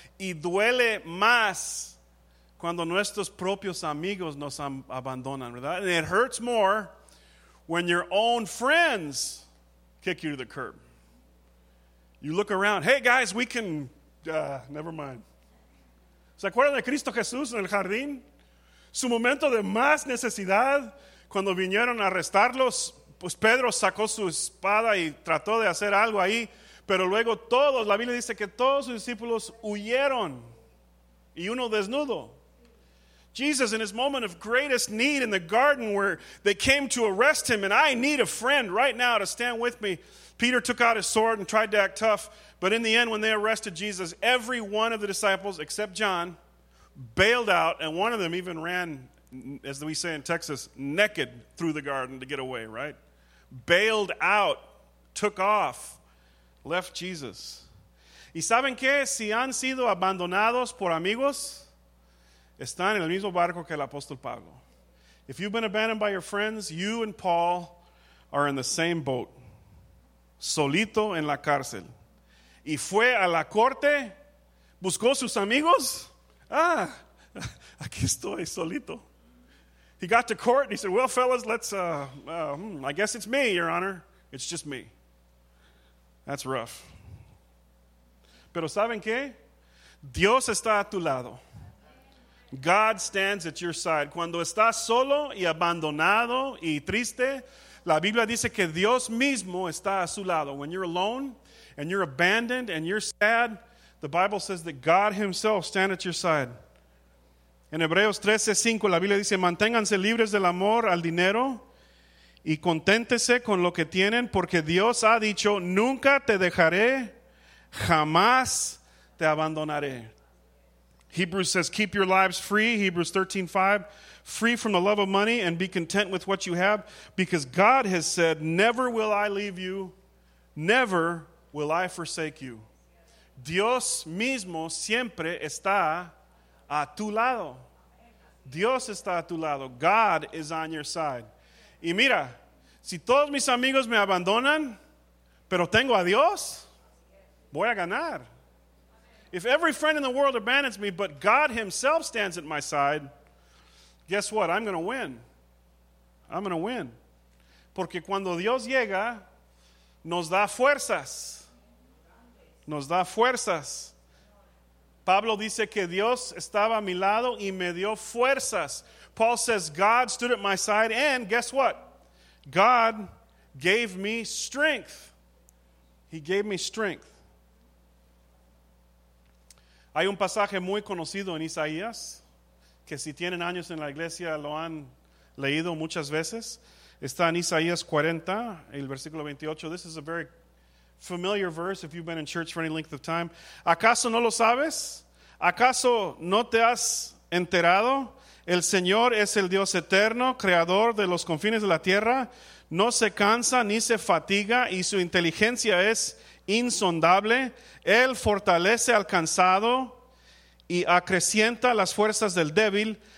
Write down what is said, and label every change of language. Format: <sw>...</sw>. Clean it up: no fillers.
<es>Y duele más cuando nuestros propios amigos nos abandonan, ¿verdad?</es> <en>And it hurts more when your own friends kick you to the curb. You look around. Hey, guys, we can... never mind.</en> <es>¿Se acuerdan de Cristo Jesús en el jardín? Su momento de más necesidad, cuando vinieron a arrestarlos, pues Pedro sacó su espada y trató de hacer algo ahí. Pero luego todos, la Biblia dice que todos sus discípulos huyeron, y uno desnudo.</es> <en>Jesus, in his moment of greatest need in the garden where they came to arrest him, and I need a friend right now to stand with me. Peter took out his sword and tried to act tough, but in the end, when they arrested Jesus, every one of the disciples except John bailed out, and one of them even ran, as we say in Texas, naked through the garden to get away, right? Bailed out, took off, left Jesus.</en> <es>¿Y saben qué? Si han sido abandonados por amigos, están en el mismo barco que el apóstol Pablo.</es> <en>If you've been abandoned by your friends, you and Paul are in the same boat.</en> <es>Solito en la cárcel. Y fue a la corte, buscó sus amigos. Ah, aquí estoy, solito.</es> <en>He got to court and he said, well, fellas, I guess it's me, Your Honor. It's just me. That's rough.</en> <es>Pero ¿saben qué? Dios está a tu lado.</es> <en>God stands at your side.</en> <es>Cuando estás solo y abandonado y triste, la Biblia dice que Dios mismo está a su lado.</es> <en>When you're alone and you're abandoned and you're sad, the Bible says that God himself stands at your side.</en> <es>En Hebreos 13:5, la Biblia dice, manténganse libres del amor al dinero y conténtese con lo que tienen, porque Dios ha dicho, nunca te dejaré, jamás te abandonaré.</es> <en>Hebrews says, keep your lives free, Hebrews 13:5, free from the love of money and be content with what you have, because God has said, never will I leave you, never will I forsake you.</en> <es>Dios mismo siempre está a tu lado. Dios está a tu lado.</es> <en>God is on your side.</en> <es>Y mira, si todos mis amigos me abandonan, pero tengo a Dios, voy a ganar.</es> <en>If every friend in the world abandons me, but God himself stands at my side, guess what? I'm going to win. I'm going to win.</en> <es>Porque cuando Dios llega, nos da fuerzas. Nos da fuerzas. Pablo dice que Dios estaba a mi lado y me dio fuerzas.</es> <en>Paul says, God stood at my side, and guess what? God gave me strength. He gave me strength.</en> <es>Hay un pasaje muy conocido en Isaías, que si tienen años en la iglesia lo han leído muchas veces. Está en Isaías 40, el versículo 28.</es> <en>This is a very familiar verse if you've been in church for any length of time.</en> <es>¿Acaso no lo sabes? ¿Acaso no te has enterado? El Señor es el Dios eterno, creador de los confines de la tierra. No se cansa ni se fatiga y su inteligencia es insondable. Él fortalece al cansado y acrecienta las fuerzas del débil.</es>